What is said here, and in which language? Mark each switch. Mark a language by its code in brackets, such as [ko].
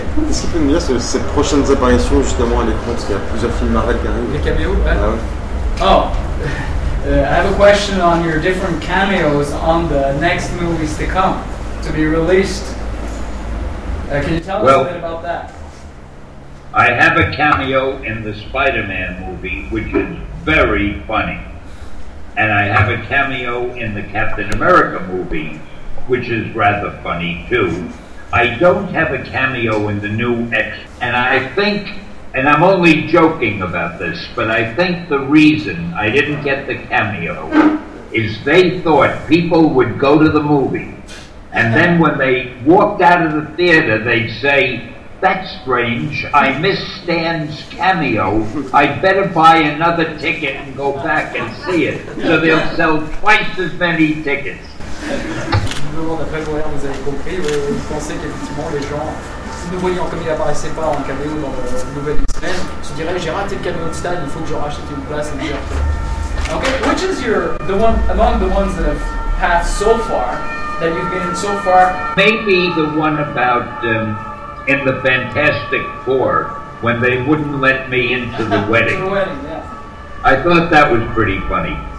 [fr] ce qui peut me dire, c'est ces prochaines apparitions justement à l'écran, parce qu'il y a plusieurs films Marvel qui arrivent. Les caméos, ouais. Ah [en] ouais. Oh, I have a question on your different cameos on the next movies to come, to be released. Can you tell us a bit about that? I have a cameo in the Spider-Man movie, which is very funny. And I have a cameo in the Captain America movie, which is rather funny too. I don't have a cameo in the new X, and I think, and I'm only joking about this, but I think the reason I didn't get the cameo is they thought people would go to the movie, and then when they walked out of the theater, they'd say, that's strange, I missed Stan's cameo, I'd better buy another ticket and go back and see it. So they'll sell twice as many tickets. [fr] D'après le voyant, vous avez compris, vous pensez qu'effectivement les gens, ne voyant comme il n'apparaissait pas en cameo dans le nouvel X-Men, se diraient j'ai raté le cameo de Stan, il faut que je rachète une place et dire. [en] Okay, which is your the one among the ones that have passed so far that you've been in so far? Maybe the one about in the Fantastic Four when they wouldn't let me into the wedding. The wedding, yeah. I thought that was pretty funny.